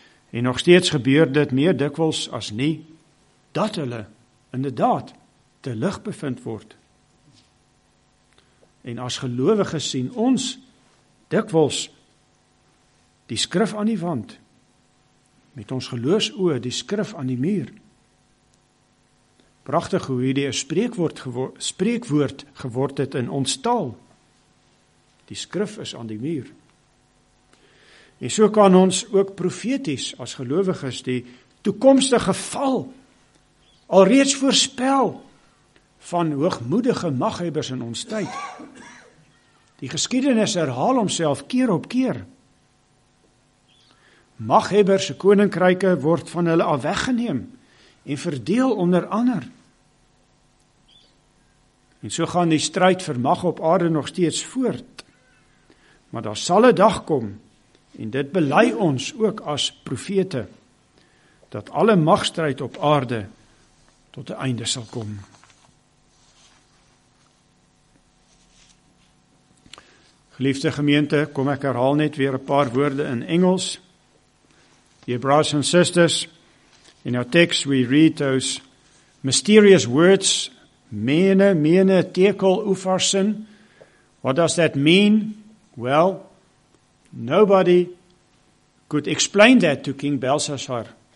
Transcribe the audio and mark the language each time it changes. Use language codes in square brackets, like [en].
[af] En nog steeds gebeur dit meer dikwels as nie, dat hulle inderdaad te lig bevind word. En as gelowiges sien ons dikwels die skrif aan die wand, met ons geloofsoë die skrif aan die muur. Prachtig hoe hierdie spreekwoord geword het in ons taal. Die skrif is aan die muur. En so kan ons ook profeties as gelowiges die toekomstige val alreeds voorspel van hoogmoedige maghebbers in ons tyd. Die geskiedenis herhaal homself keer op keer. Maghebbers koninkryke word van hulle af weggeneem en verdeel onder ander. En so gaan die stryd vir mag op aarde nog steeds voort. Maar daar sal 'n dag kom, en dit belei ons ook as profete, dat alle magstryd op aarde tot die einde sal kom. Geliefde gemeente, kom ek herhaal net weer 'n paar woorde in Engels. [en] Dear brothers and sisters, in our text we read those mysterious words, mene, tekel, upharsin. What does that mean? Well, nobody could explain that to King Belsasar.